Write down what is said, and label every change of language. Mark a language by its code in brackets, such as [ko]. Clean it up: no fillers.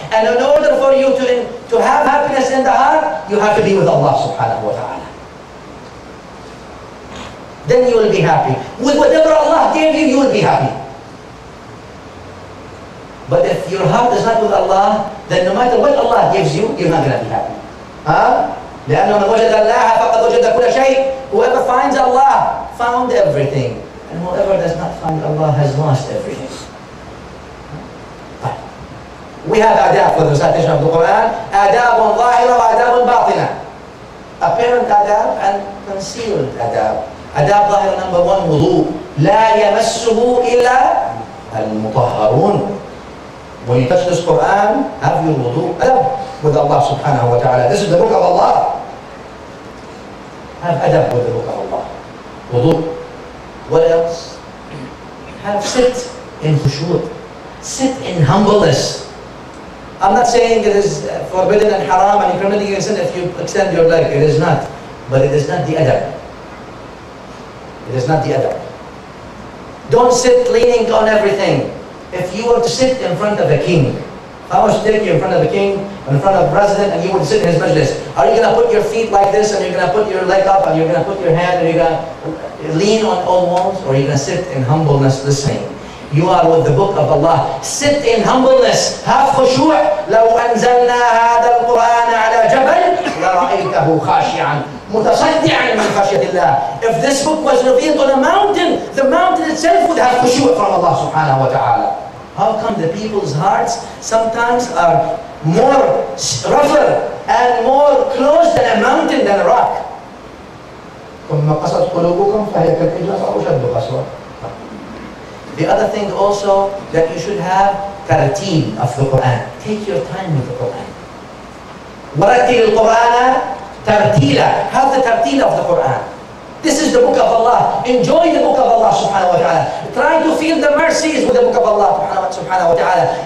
[en] And in order for you to have happiness in the heart, you have to be with Allah subhanahu wa ta'ala. Then you will be happy. With whatever Allah gave you, you will be happy. But if your heart is not with Allah, then no matter what Allah gives you, you're not going to be happy. [ar] لأنه من وجد الله فقد وجد كل شيء. [en] Whoever finds Allah found everything. And whoever does not find Allah has lost everything. We have adab for the recitation of the Quran. Adab on [ar] ظاهرة وأداب [en] on باطنة. Apparent adab and concealed adab. [ar] أداب ظاهر [en] number one [ar] وضوء لا يمسه إلا المطهرون. [en] When you touch this Quran, have your وضوء أداب with Allah subhanahu wa ta'ala. This is the book of Allah. Have أداب with the book of Allah. وضوء. What else? Have sit in خشوع. Sit in humbleness. I'm not saying it is forbidden and haram and incriminating your sin if you extend your leg. It is not. But it is not the أداب. It is not the adab. Don't sit leaning on everything. If you were to sit in front of a king, if I was to take you in front of a king, in front of a president, and you would sit in his majlis, are you going to put your feet like this, and you're going to put your leg up, and you're going to put your hand, and you're going to lean on all walls, or are you going to sit in humbleness listening? You are with the book of Allah. Sit in humbleness. Have خشوع. [ar] لو أنزلنا هذا القرآن على جبل لرأيته خاشعا متصدعا من خشية الله. [en] If this book was revealed on a mountain, the mountain itself would have خشوع from Allah [ar] سبحانه وتعالى. [en] How come the people's hearts sometimes are more rougher and more closed than a mountain, than a rock? [ar] ثم قست قلوبكم فهي كالحجارة أشد قسوة. [en] The other thing also that you should have tartil of the Quran. Take your time with the Quran. [ar] Waratil al-Quran tartila. [en] Have the tartil of the Quran. This is the book of Allah. Enjoy the book of Allah subhanahu wa ta'ala. Try to feel the mercies with the book of Allah subhanahu wa ta'ala.